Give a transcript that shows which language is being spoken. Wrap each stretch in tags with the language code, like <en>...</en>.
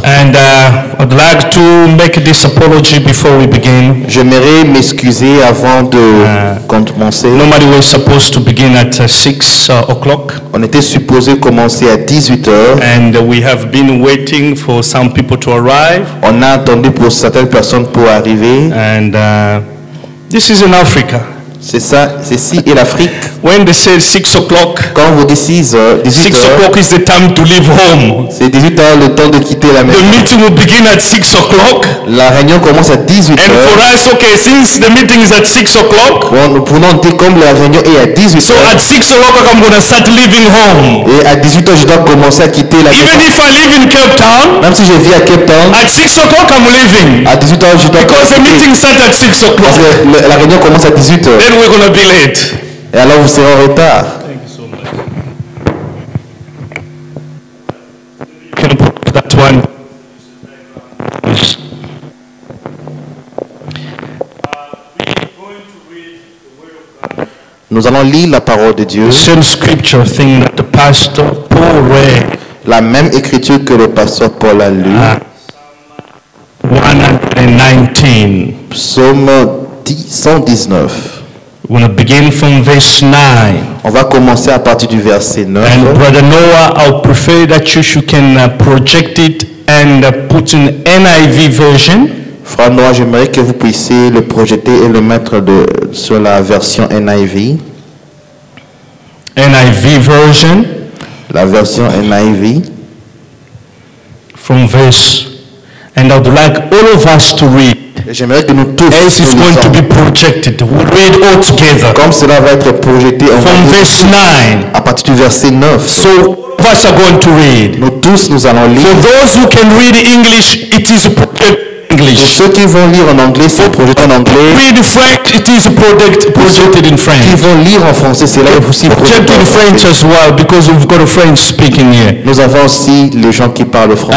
<en>And I'd like to make this apology before we begin.</en> <fr>J'aimerais m'excuser avant de commencer.</fr> <en>Normally we're supposed to begin at 6 o'clock.</en> <fr>On était supposé commencer à 18h.</fr> <en>And we have been waiting for some people to arrive.</en> <fr>On a attendu pour certaines personnes pour arriver.</fr> <en>And this is in Africa.</en> <fr>C'est ça, ceci est l'Afrique.</fr> <en>When they say 6 o'clock,</en> <fr>quand vous dites</fr> <en>6 o'clock is the time to leave home.</en> <fr>C'est 18h le temps de quitter la maison.</fr> <en>The meeting will begin at 6 o'clock.</en> <fr>La réunion commence à 18h.</fr> <en>And for us, okay, since the meeting is at 6 o'clock,</en> <fr>nous pouvons dire comme la réunion est à 18h.</fr> <en>So at 6 o'clock, I'm going to start leaving home.</en> <fr>Et à 18h, je dois commencer à quitter la maison.</fr> <en>Even if I live in Cape Town,</en> <fr>même si je vis à Cape Town,</fr> <en>at 6 o'clock I'm leaving.</en> <fr>À 18h, je dois.</fr> <en>Because the meeting starts at 6 o'clock.</en> <fr>Parce que la réunion commence à 18h.</fr> <en>Then we're gonna be late.</en> <fr>Et alors vous serez en retard.</fr> <en>Thank you so much. Can I put that one?</en> <fr>Nous allons lire la parole de Dieu.</fr> <en>The same scripture thing that the pastor Paul read</en> <fr>La même écriture que le pasteur Paul a lu. 119. Psaume 119.</fr> <en>We'll begin from verse 9.</en> <fr>On va commencer à partir du verset 9.</fr> <en>And brother Noah, I would prefer that you can project it and put an NIV version.</en> <fr>Frère Noah, j'aimerais que vous puissiez le projeter et le mettre sur la version NIV.</fr> <en>NIV version.</en> <fr>La version NIV.</fr> <en>From verse. And I would like all of us to read.</en> <fr>J'aimerais que nous tous</fr> <en>as it's going to be projected, we'll read all together.</en> <fr>Comme cela va être projeté, on</fr> <en>from verse 9.</en> <fr>À partir du verset 9.</fr> <en>So, all of us are going to read.</en> <fr>Nous tous, nous allons lire.</fr> <en>For those who can read English, it is projected. English.</en> <fr>Pour ceux qui vont lire en anglais, c'est projeté en anglais.</fr> <en>Read French, it is projected in French.</en> <fr>Qui vont lire en français, c'est là aussi projeté</fr> <en>in French as well, because we've got a French speaking here.</en> <fr>Nous avons aussi les gens qui parlent français.</fr>